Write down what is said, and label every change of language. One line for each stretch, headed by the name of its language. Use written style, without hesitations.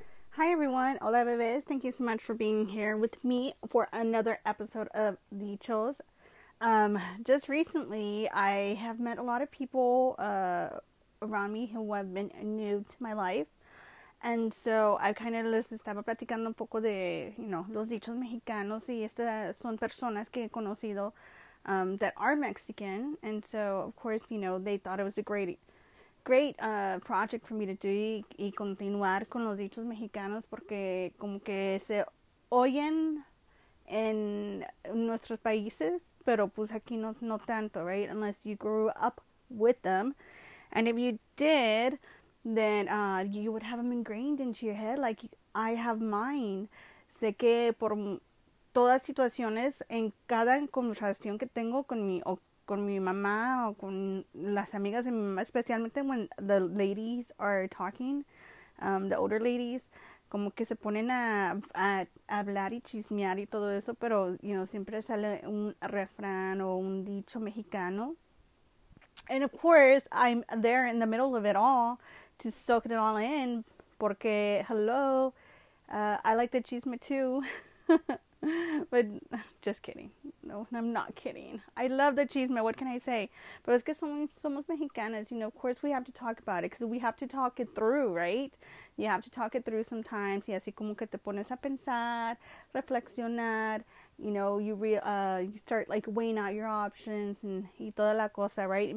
English: Hi, everyone. Hola, Vivis. Thank you so much for being here with me for another episode of Dichos. Just recently, I have met a lot of people around me who have been new to my life. And so I kind of
Spanish: les estaba platicando un poco de, you know, los dichos mexicanos, y estas son personas que he conocido
English: that are Mexican. And so, of course, you know, they thought it was a great project for me to do
Spanish: y continuar con los dichos mexicanos porque como que se oyen en nuestros países, pero pues aquí no tanto, right?
English: Unless you grew up with them. And if you did, then you would have them ingrained into your head, like I have mine.
Spanish: Sé que por todas situaciones, en cada conversación que tengo con mi mamá o con las amigas de mi mamá, especialmente
English: when the ladies are talking, the older ladies,
Spanish: como que se ponen a hablar y chismear y todo eso, pero, you know, siempre sale un refrán o un dicho mexicano.
English: And of course, I'm there in the middle of it all, to soak it all in, porque, hello, I like the chisme too, but, just kidding, no, I'm not kidding, I love the chisme, what can I say, but
Spanish: es que somos mexicanas,
English: you know, of course we have to talk about it, because we have to talk it through, right, you have to talk it through sometimes,
Spanish: y así como que te pones a pensar, reflexionar,
English: you know, you start like weighing out your options and
Spanish: y toda la cosa,
English: right?